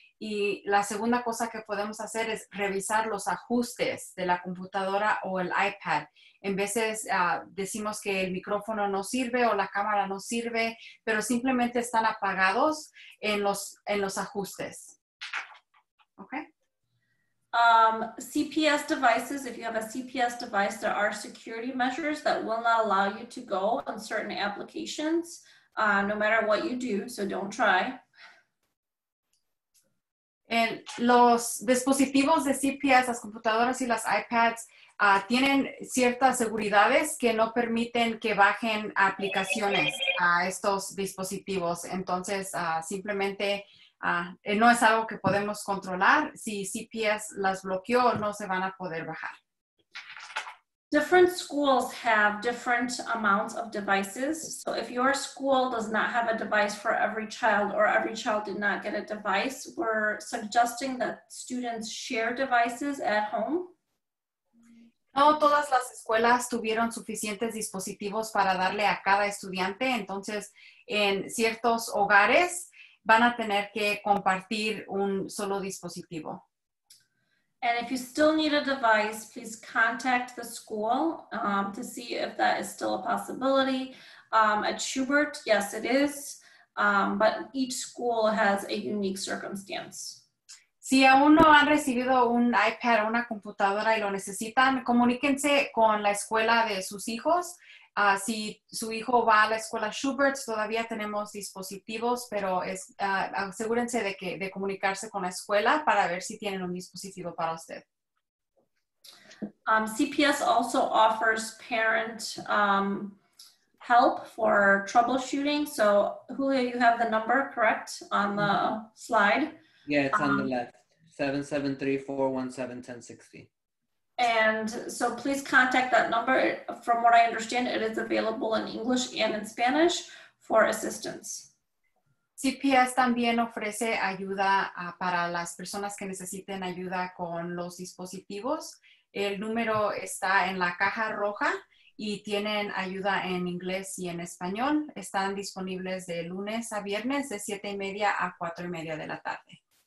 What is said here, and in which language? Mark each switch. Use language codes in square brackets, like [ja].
[es] Y la segunda cosa que podemos hacer es revisar los ajustes de la computadora o el iPad. En veces decimos que el micrófono no sirve o la cámara no sirve, pero simplemente están apagados en los ajustes. [en] Okay. CPS devices, if you have a CPS device, there are security measures that will not allow you to go on certain applications, no matter what you do, so don't try. [es] Los dispositivos de CPS, las computadoras y las iPads, tienen ciertas seguridades que no permiten que bajen aplicaciones a estos dispositivos. Entonces, simplemente no es algo que podemos controlar. Si CPS las bloqueó, no se van a poder bajar. [en] Different schools have different amounts of devices. So if your school does not have a device for every child or every child did not get a device, we're suggesting that students share devices at home. [es] No todas las escuelas tuvieron suficientes dispositivos para darle a cada estudiante. Entonces, en ciertos hogares van a tener que compartir un solo dispositivo. [en] And if you still need a device, please contact the school to see if that is still a possibility. At Schubert, yes, it is, but each school has a unique circumstance. [es] Si aún no han recibido un iPad o una computadora y lo necesitan, comuníquense con la escuela de sus hijos. Si su hijo va a la escuela Schubert, todavía tenemos dispositivos, pero asegúrense de comunicarse con la escuela para ver si tienen un dispositivo para usted. [en] CPS also offers parent help for troubleshooting. So, Julia, you have the number, correct, on the slide? Yeah, it's on the left. 773-417-1060. And so please contact that number. From what I understand, it is available in English and in Spanish for assistance. [es] CPS también ofrece ayuda para las personas que necesiten ayuda con los dispositivos. El número está en la caja roja y tienen ayuda en inglés y en español. Están disponibles de lunes a viernes de 7:30 a 4:30 de la tarde.